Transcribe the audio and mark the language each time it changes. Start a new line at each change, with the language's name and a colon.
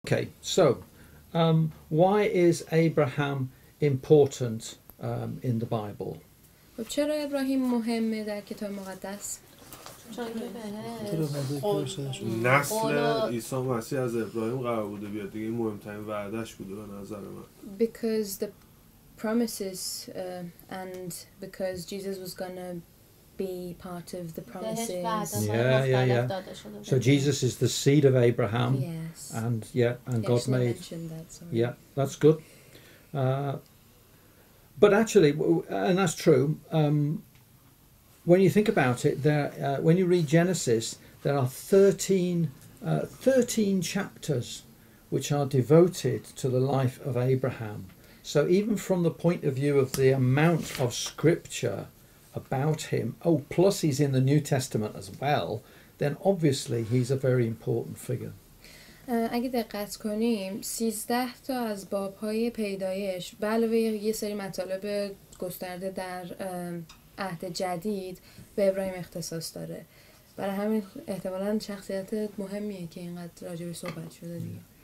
English: Okay, so why is Abraham important in the Bible?
Persian: نسل عیسی مسیح از ابراهیم قرار بوده بیاد دیگه مهمترین وعدش بوده به نظر من
English: Because the promises and because Jesus was gonna be part of the promises. Yeah. So Jesus is the seed of Abraham. Yes. And yeah, and he God made. Mentioned that, sorry. Yeah, that's good. But actually, and that's true. When you think about it, there. When you read Genesis, there are 13 chapters which are devoted to the life of Abraham. So even from the point of view of the amount of scripture about him, oh, plus he's in the New Testament as well, then obviously he's a very important figure.
Persian: اگه دقت کنیم 13 تا از باب‌های پیدایش به علاوه یه سری مطالب گسترده در عهد جدید به ابراهیم اختصاص داره. برای همین احتمالاً شخصیت مهمیه که اینقدر راجعش صحبت شده دیگه.